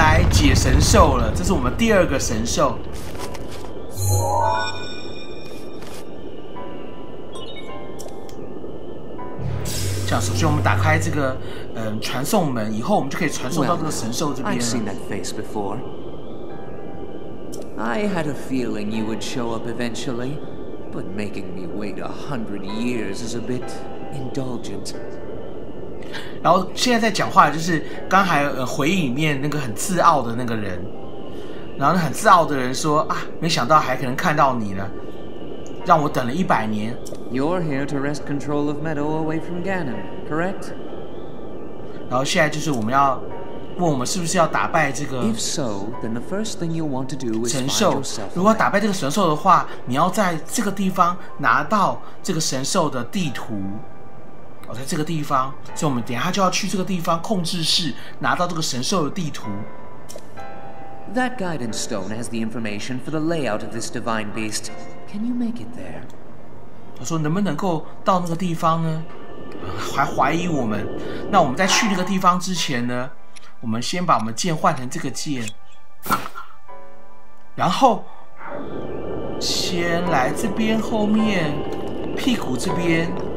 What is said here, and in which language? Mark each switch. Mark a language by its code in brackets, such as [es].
[zh] 解神兽了，这是我们第二个神兽。这样，首先我们打开这个传送门，以后我们就可以传送到这个神兽这边了。 [en] Well, I've seen that face before. I had a feeling you would show up eventually, but making me wait 100 years is a bit indulgent. [zh] 然后现在在讲话就是刚才回忆里面那个很自傲的那个人，然后很自傲的人说啊，没想到还可能看到你呢，让我等了100年。 [en] You're here to wrest control of Meadow away from Ganon, correct? [zh] 然后现在就是我们要问我们是不是要打败这个 [en] ？If so, then the first thing you want to do is [zh] 神兽。如果打败这个神兽的话，你要在这个地方拿到这个神兽的地图。在这个地方，所以我们等一下就要去这个地方控制室拿到这个神兽的地图。 [en] That guidance stone has the information for the layout of this divine beast. Can you make it there? [zh] 他说能不能够到那个地方呢？还怀疑我们。那我们在去那个地方之前呢，我们先把我们剑换成这个剑，然后先来这边后面屁股这边。